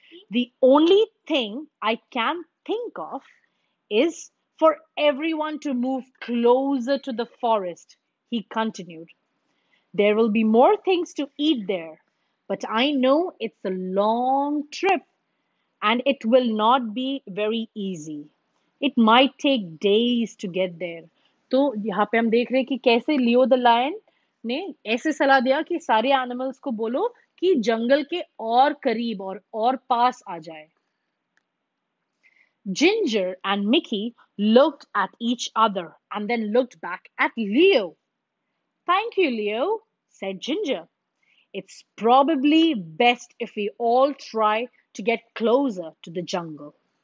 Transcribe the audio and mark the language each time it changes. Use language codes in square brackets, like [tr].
[en] The only thing I can think of is for everyone to move closer to the forest, he continued. There will be more things to eat there, but I know it's a long trip and it will not be very easy. It might take days to get there. [hi] तो यहाँ पे हम देख रहे हैं कि कैसे Leo the lion ने ऐसे सलाह दिया कि सारे एनिमल्स को बोलो कि जंगल के और करीब और पास आ जाए. [en] Ginger and Mickey looked at each other and then looked back at Leo. Thank you, Leo, said Ginger. It's probably best if we all try to get closer to the jungle.